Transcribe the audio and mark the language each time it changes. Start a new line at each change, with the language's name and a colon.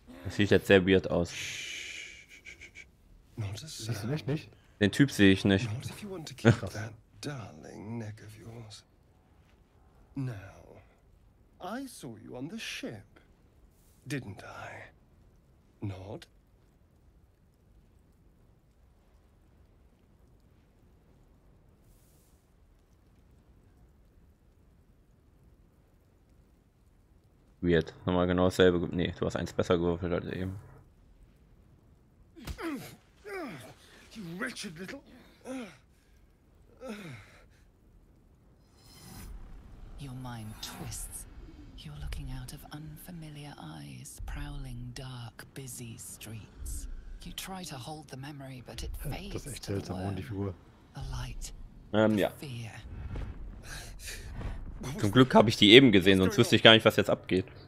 German: Sieht jetzt sehr weird aus. Siehst du echt nicht? Den Typ sehe ich nicht.
English: Not if you want to keep that darling neck of yours. Now, I saw you on the ship, didn't I? Not? Weird.
German: Nochmal genau dasselbe. Nee, du hast eins besser gewürfelt als eben.
English: You wretched little. Your mind twists. You're looking out of unfamiliar eyes, prowling dark, busy streets. You try to hold the memory, but it fades.
German: Das ist echt seltsam, die Figur.
English: A light.
German: Ja. Fear. Zum Glück habe ich die eben gesehen, sonst wüsste ich gar nicht, was jetzt abgeht.